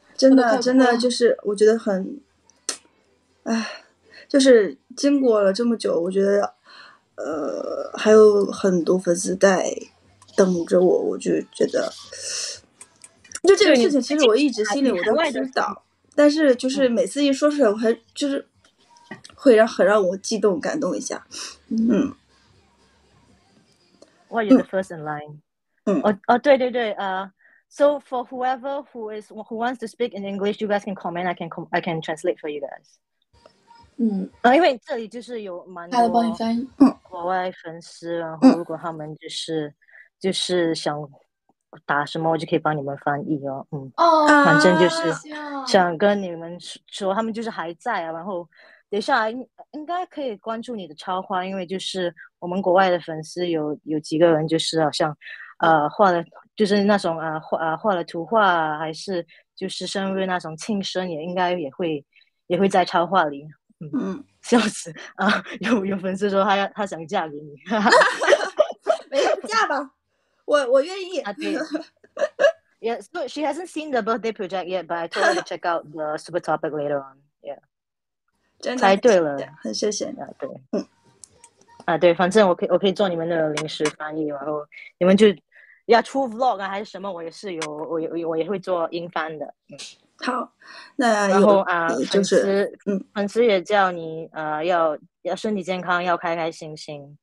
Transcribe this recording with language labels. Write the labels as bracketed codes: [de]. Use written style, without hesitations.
[zh] 真的真的就是我觉得很，哎，就是经过了这么久，我觉得还有很多粉丝在等着我，我就觉得就这个事情其实我一直心里我都知道，但是就是每次一说出来我还就是会很让我激动感动一下。嗯 [en] ，What are you the first in line？ [zh] 对对对， [en] So for whoever who wants to speak in English, you guys can comment. I can translate for you guys. 嗯， [zh] 因为这里就是有蛮多，他来帮你翻译。国外粉丝，然后如果他们就是想打什么，我就可以帮你们翻译哦。嗯，哦，反正就是想跟你们说，他们就是还在啊，然后。等一下，应该可以关注你的超话，因为就是我们国外的粉丝有几个人，就是好像，画了就是那种画了图画，还是就是生日那种庆生，也应该也会在超话里。嗯，笑死啊！有粉丝说他想嫁给你，没有嫁吧？我愿意啊。对。 [en] Yeah, so she hasn't seen the birthday project yet, but I told her to check out the super topic later on. Yeah. [zh] 猜对了，很谢谢啊！对，嗯，啊，对，反正我可以做你们的临时翻译，然后你们就要出 vlog 啊，还是什么，我也是有，我也会做英翻的。嗯，好，那然后啊，就是粉丝也叫你要身体健康，要开开心心。